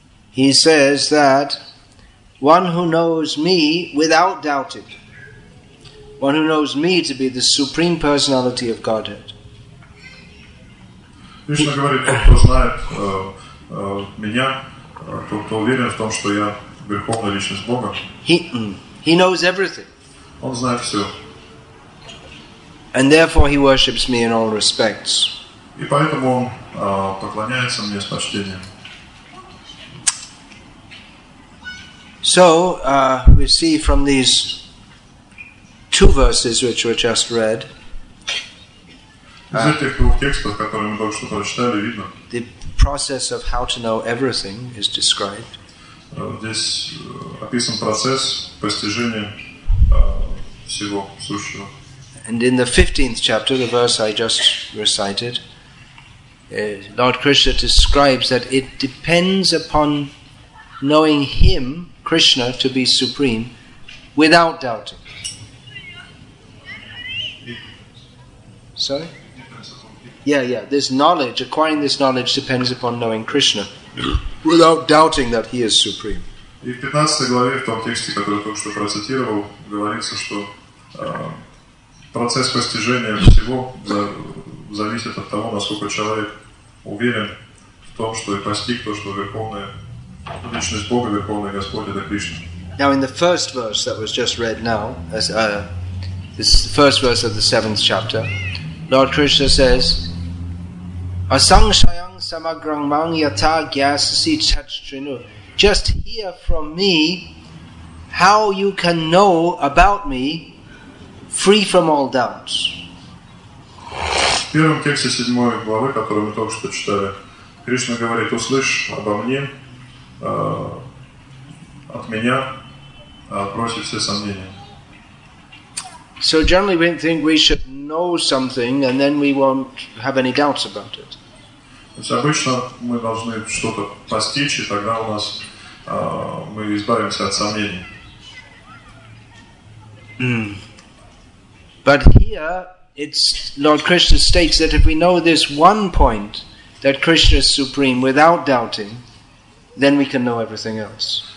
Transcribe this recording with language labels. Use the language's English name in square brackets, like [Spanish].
[English] He says that one who knows me without doubting, one who knows me to be the Supreme Personality of Godhead. [Russian] Кришна говорит, тот, кто знает меня, тот, кто уверен в том, что я Верховная Личность Бога. [English] He knows everything. [Russian] Он знает все. [English] And therefore he worships me in all respects. [Russian] И поэтому он поклоняется мне с почтением. [English] So, we see from these two verses which were just read. [Russian] Из этих двух текстов, которые мы только что прочитали, видно. [English] The process of how to know everything is described. [Russian] Здесь описан процесс постижения всего сущего. [English] And in the 15th chapter, the verse I just recited, Lord Krishna describes that it depends upon knowing Him, Krishna, to be supreme, without doubting. Sorry? Yeah. This knowledge, acquiring this knowledge, depends upon knowing Krishna, without doubting that He is supreme. [Russian] И в 15 главе, в том тексте, который только что процитировал, говорится, что процесс постижения всего зависит от того, насколько человек уверен в том, что и постиг то, что Верховная Личность Бога, Верховный Господь – это Кришна. [English] Now, in the first verse that was just read now, as, this is the first verse of the 7th chapter, Lord Krishna says, [Sanskrit] Asangshayang samagrang mang yata gyasasi chachtrinu. [English] Just hear from me how you can know about me free from all doubts. [Russian] В первом тексте 7 главы, который мы только что читали, Кришна говорит, услышь обо мне, от меня, отбросив все сомнения. [English] So generally we think we should know something and then we won't have any doubts about it. [Russian] То есть обычно мы должны что-то постичь, и тогда у нас мы избавимся от сомнений. [English] But here it's Lord Krishna states that if we know this one point that Krishna is supreme without doubting, then we can know everything else.